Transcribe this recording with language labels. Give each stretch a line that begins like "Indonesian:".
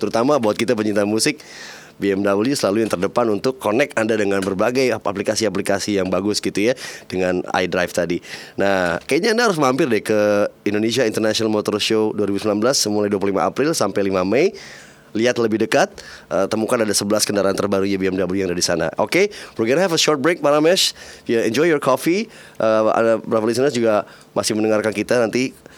Indonesian: Terutama buat kita pencinta musik, BMW selalu yang terdepan untuk connect Anda dengan berbagai aplikasi-aplikasi yang bagus gitu ya, dengan iDrive tadi. Nah, kayaknya Anda harus mampir deh ke Indonesia International Motor Show 2019 mulai 25 April sampai 5 Mei. Lihat lebih dekat, temukan ada 11 kendaraan terbaru BMW yang ada di sana.
English: Oke, okay, we're gonna have a short break, Pak Ramesh. Yeah, enjoy your coffee.
Indonesian: Ada beberapa listeners juga masih mendengarkan kita nanti.